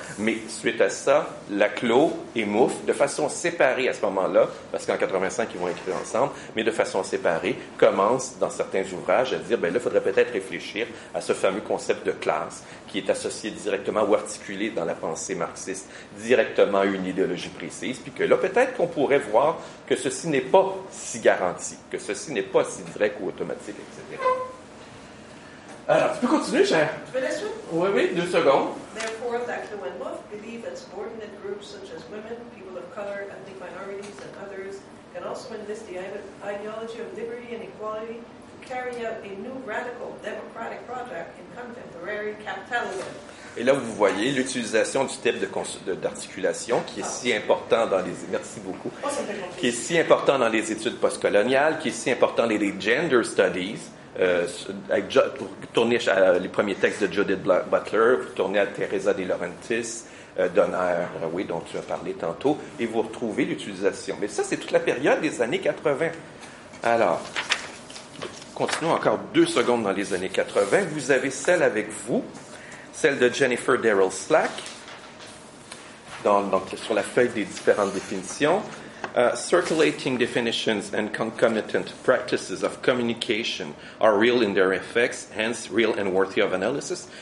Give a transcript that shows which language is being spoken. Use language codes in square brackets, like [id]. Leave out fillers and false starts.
[fr] Mais suite à ça, Laclau et Mouffe, de façon séparée à ce moment-là, parce qu'en 85, ils vont écrire ensemble, mais de façon séparée, commencent dans certains ouvrages à dire, bien là, il faudrait peut-être réfléchir à ce fameux concept de classe qui est associé directement ou articulé dans la pensée marxiste, directement à une idéologie précise, puis que là, peut-être qu'on pourrait voir que ceci n'est pas si garanti, que ceci n'est pas si direct ou automatique, etc. Alors, tu peux continuer, cher. Oui, deux secondes. [en] Therefore, Laclau and Mouffe believe that subordinate groups such as women, people of color, ethnic minorities, and others can also enlist the ideology of liberty and equality to carry out a new radical democratic project in contemporary capitalism. [fr] Et là, vous voyez l'utilisation du type d'articulation qui est si important dans les... Merci beaucoup. Qui est si important dans les études postcoloniales, qui est si important dans les gender studies. Pour tourner à les premiers textes de Judith Butler, pour tourner à Teresa De Laurentiis, Donner, oui, dont tu as parlé tantôt, et vous retrouvez l'utilisation. Mais ça, c'est toute la période des années 80. Alors, continuons encore deux secondes dans les années 80. Vous avez celle avec vous, celle de Jennifer Darrell Slack, donc sur la feuille des différentes définitions. [en] Circulating definitions and concomitant practices of communication are real in their effects, hence real and worthy of analysis.